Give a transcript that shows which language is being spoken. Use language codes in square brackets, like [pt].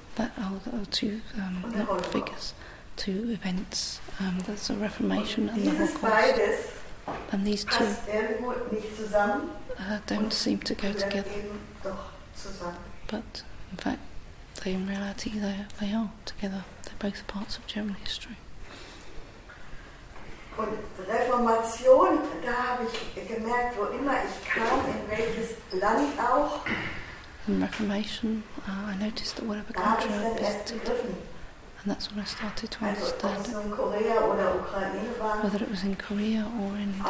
[en] That are the two figures, two events. That's the Reformation [de] und [en] and the Holocaust. And these two [de] nicht zusammen, [en] don't seem to go together. [de] Doch [en] but in fact, they in reality they are together. They're both parts of German history. [de] Und Reformation, da habe ich gemerkt, wo immer ich kam, in welches Land auch. [en] In Reformation, I noticed that whatever country I visited, and that's when I started to understand [de] also, in Korea oder Ukraine war, [en] whether it was in Korea or in the